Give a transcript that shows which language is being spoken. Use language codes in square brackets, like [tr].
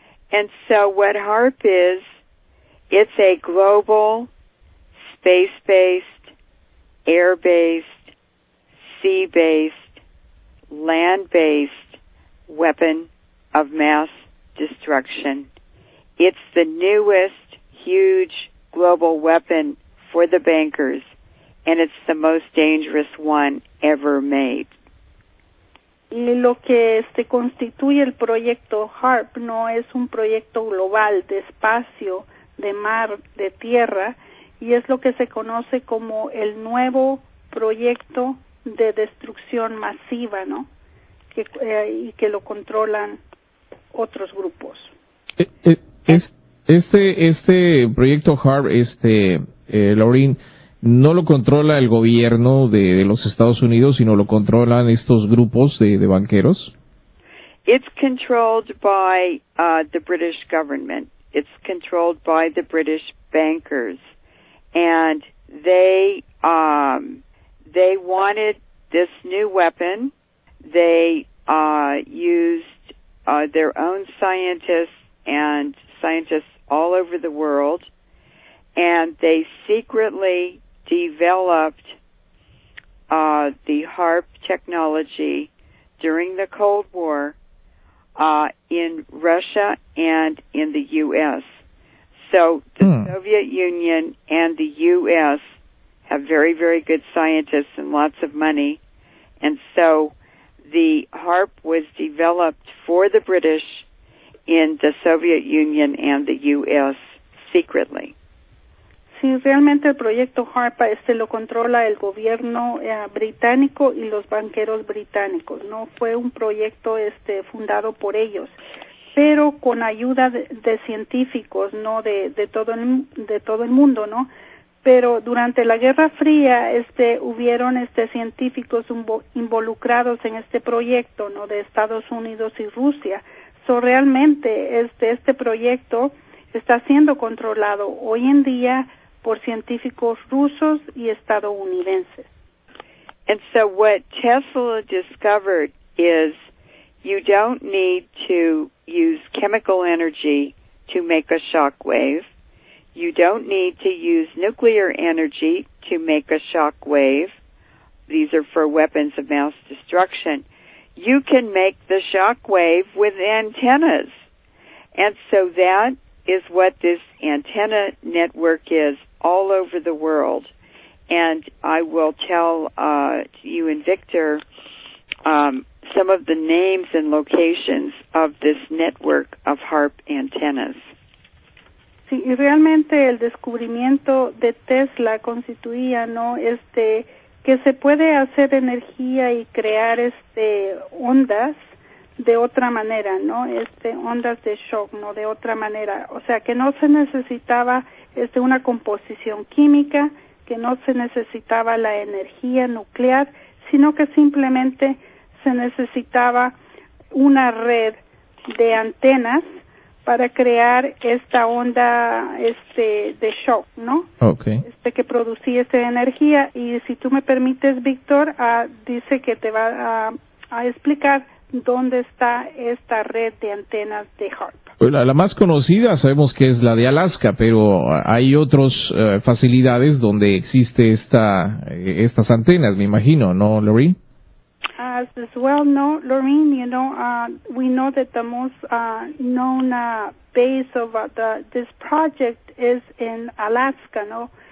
[en] And so what HARP is, it's a global space-based, air-based, sea-based, land-based weapon of mass destruction. It's the newest huge global weapon for the bankers, and it's the most dangerous one ever made. [es] Y lo que constituye el proyecto HARP no es un proyecto global de espacio, de mar, de tierra, y es lo que se conoce como el nuevo proyecto de destrucción masiva, ¿no? Y que lo controlan otros grupos. Este proyecto HARP, Laurín, no lo controla el gobierno de los Estados Unidos, sino lo controlan estos grupos de banqueros. [en] It's controlled by the British government. It's controlled by the British bankers, and they wanted this new weapon. They used their own scientists and scientists all over the world, and they secretly developed the HARP technology during the Cold War in Russia and in the U.S. So the Soviet Union and the U.S. have very, very good scientists and lots of money. And so the HARP was developed for the British in the Soviet Union and the U.S. secretly. [es] Sí, realmente el proyecto HARPA lo controla el gobierno británico y los banqueros británicos. No fue un proyecto fundado por ellos, pero con ayuda de científicos, ¿no?, de todo el mundo, ¿no? Pero durante la Guerra Fría hubieron científicos involucrados en este proyecto, ¿no?, de Estados Unidos y Rusia. So, realmente este proyecto está siendo controlado hoy en día por científicos rusos y estadounidenses. [en] And so what Tesla discovered is you don't need to use chemical energy to make a shock wave. You don't need to use nuclear energy to make a shock wave. These are for weapons of mass destruction. You can make the shock wave with antennas. And so that is what this antenna network is all over the world. And I will tell you and Victor some of the names and locations of this network of HARP antennas. [es] Sí, y realmente el descubrimiento de Tesla constituía, ¿no?, que se puede hacer energía y crear ondas de otra manera, ¿no? Ondas de shock, ¿no?, de otra manera. O sea, que no se necesitaba una composición química, que no se necesitaba la energía nuclear, sino que simplemente se necesitaba una red de antenas para crear esta onda de shock, ¿no? [en] Okay. [es] Que producía esta energía. Y si tú me permites, Víctor, dice que te va a explicar dónde está esta red de antenas de HARP. La más conocida sabemos que es la de Alaska, pero hay otras facilidades donde existe estas antenas, me imagino, ¿no, Lorraine? [en] As well, no, Lorraine, you know, we know that the most known base of this project is in Alaska, ¿no?